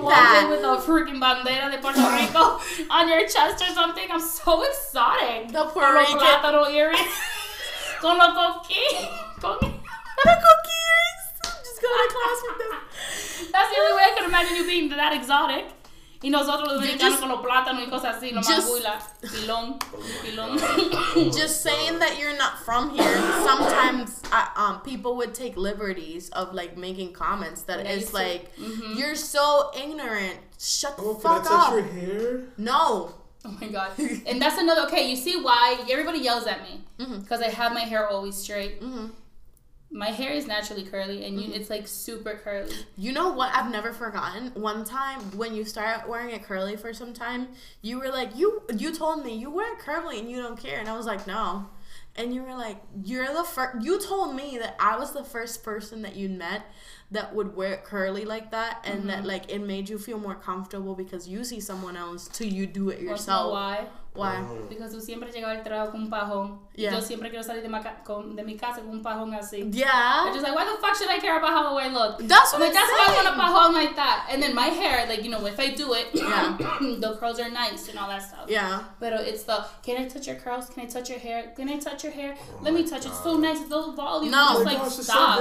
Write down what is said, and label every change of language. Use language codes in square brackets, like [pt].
[en] You walk in with a freaking [es] bandera de Puerto Rico [en] on your chest or something. I'm so exotic. The Puerto Rican. [es] Con los plátano earrings. Con los coquín. [en] The cookie earrings. Just go to class with them. That's the only way I could imagine you being that exotic. [es] Y nosotros los americanos con los plátanos y cosas así. Nomás huila. Pilón. Pilón. [en] Just saying that you're not from here. Sometimes people would take liberties of like making comments that is like, mm-hmm. you're so ignorant. Shut the fuck up. Can I touch your hair? No. Oh my God. And that's another, okay, you see why everybody yells at me. Because mm-hmm. I have my hair always straight. Mm-hmm. My hair is naturally curly, and mm-hmm. it's, like, super curly. You know what I've never forgotten? One time, when you start wearing it curly for some time, you were like, you told me, you wear it curly, and you don't care. And I was like, no. And you were like, you're the first, you told me that I was the first person that you met that would wear it curly like that, and mm-hmm. that, like, it made you feel more comfortable because you see someone else till you do it yourself. Want to know why? Why? [es] Because tú siempre llegas al trabajo con un pajón. Yeah. Yo siempre quiero salir de mi casa con un pajón así. [en] Yeah. I'm just like, why the fuck should I care about how I look? That's what I'm saying. That's why I want a pajón like that. And then my hair, like, you know, if I do it, yeah. The curls are nice and all that stuff. Yeah. But it's the, can I touch your curls? Can I touch your hair? Can I touch your hair? Oh, let me touch it. It's so nice. It's so volume. No. It's like, gosh, stop.